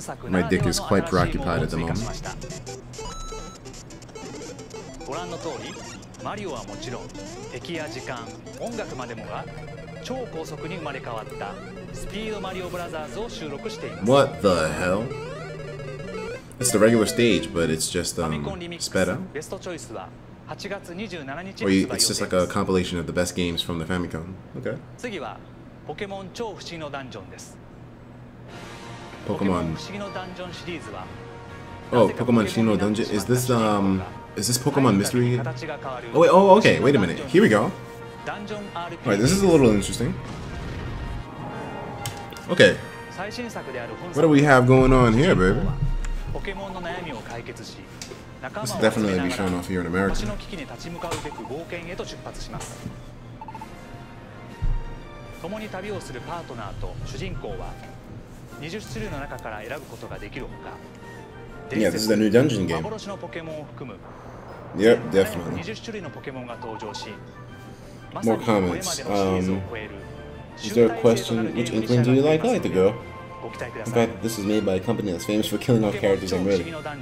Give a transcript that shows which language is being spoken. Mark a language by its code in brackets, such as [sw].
[en] My dick is quite preoccupied at the moment. [ja] ご覧の通り、マリオはもちろん、敵や時間、音楽までもが超高速に生まれ変わったスピードマリオブラザーズを収録しています。 [en] What the hell? It's the regular stage, but it's just sped up. [ja] Best choice は8月27日発売予定です。 [en] It's just like a compilation of the best games from the Famicom. Okay. [ja] 次はポケモン超不思議のダンジョンです。ポケモン不思議のダンジョンシリーズは。 [en] Oh, Pokemon 不思議のダンジョン。Is this Pokemon Mystery? Oh, okay. Wait a minute. Here we go. Alright, this is a little interesting. Okay. What do we have going on here, baby? [ja] ポケモンの悩みを解決し、仲間を集めながら星の危機に立ち向かうべく冒険へと出発します。共に旅をするパートナーと主人公は20種類の中から選ぶことができるほか、伝説の幻のポケモンを含む 20 種類のポケモンが登場し、まさにこれまでのシリーズを超える集大成となるゲームに仕上がっています。 [en] Like the girl? In fact, this is made by a company that's famous for killing off characters on Reddit.